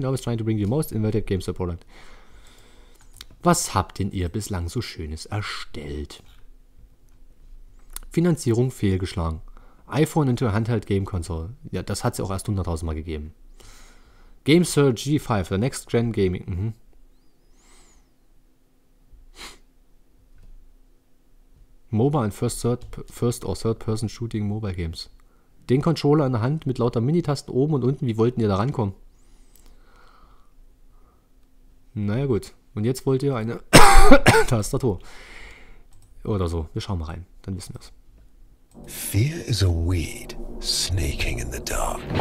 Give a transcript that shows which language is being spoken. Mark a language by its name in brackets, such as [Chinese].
[English] Now we're trying to bring you most innovative GameSir product. [German] Was habt denn ihr bislang so Schönes erstellt? Finanzierung fehlgeschlagen. [English] iPhone into a handheld game console. [German] Ja, das hat es ja auch erst 100.000 Mal gegeben. [English] GameSir G5, the next gen gaming. Mhm. Mobile and first or third person shooting mobile games. [German] Den Controller in der Hand mit lauter Minitasten oben und unten, wie wollten ihr da rankommen? Naja gut, und jetzt wollt ihr eine Tastatur. Oder so, wir schauen mal rein, dann wissen wir's. [English] Fear is a weed snaking in the dark.